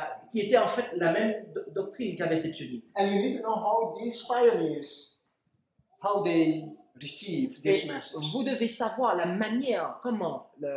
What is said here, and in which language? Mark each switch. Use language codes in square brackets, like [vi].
[fr] qui était en fait la même doctrine qu'avaient ces pionniers. [en] And you need to know how these pioneers, how they received this message. [fr] Vous devez savoir la manière, comment